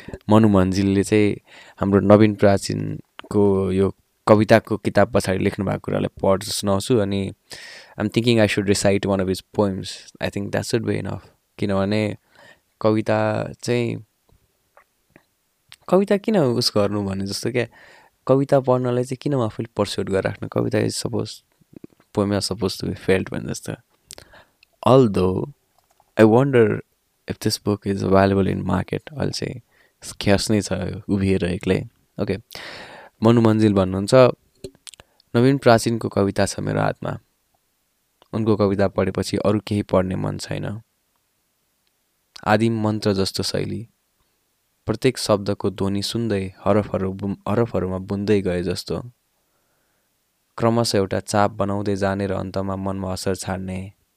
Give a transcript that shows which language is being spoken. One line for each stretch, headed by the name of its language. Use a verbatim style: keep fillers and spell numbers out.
Nepali: मनुमन्जिलले चाहिँ हाम्रो नवीन प्राचीनको यो कविताको किताब पछाडि लेख्नु भएको कुरालाई पढ सुनाउँछु अनि
English: I'm thinking I should recite one of his poems. I think that should be enough,
Nepali: किनभने कविता चाहिँ कविता किन उस गर्नु भने जस्तो क्या, कविता पढ्नलाई चाहिँ किन आफूले पर्स्युट गरेर राख्नु।
English: kavita is suppose poem are suppose to be felt
Nepali: भने जस्तो।
English: although I wonder if this book is available in market,
Nepali: अहिले चाहिँ स्क्यास नै छ
English: उभिएर एक्लै।
Nepali: ओके, मनुमन्जिल भन्नुहुन्छ नवीन प्राचीनको कविता छ मेरो हातमा, उनको कविता पढेपछि अरू केही पढ्ने मन छैन। आदिम मन्त्र जस्तो शैली, प्रत्येक शब्दको ध्वनि सुन्दै हरफहरू बुम हरफहरूमा बुन्दै गए जस्तो, क्रमशः एउटा चाप बनाउँदै जाने र अन्तमा मनमा असर छाड्ने।